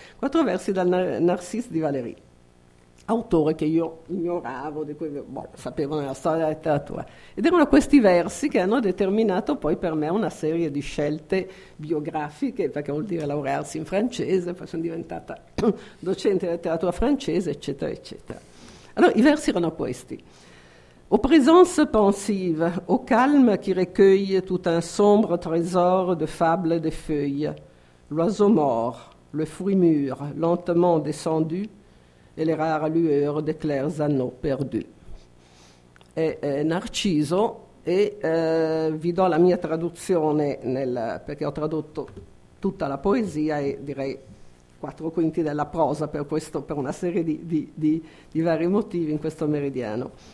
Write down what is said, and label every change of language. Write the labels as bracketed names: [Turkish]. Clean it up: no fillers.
[Italian] 4 versi dal Narcisse di Valéry, autore che io ignoravo, di cui sapevo nella storia della letteratura. Ed erano questi versi che hanno determinato poi per me una serie di scelte biografiche, perché vuol dire laurearsi in francese, poi sono diventata docente di letteratura francese, eccetera, eccetera. Allora, i versi erano questi. [French] «Au présence pensive, au calme qui recueille tout un sombre trésor de fables et de feuilles, l'oiseau mort, le fruit mûr, lentement descendu, e le rare lueur de clairs anneaux perdus. [Italian] È Narciso, e vi do la mia traduzione, perché ho tradotto tutta la poesia e direi 4/5 della prosa per una serie di vari motivi in questo meridiano.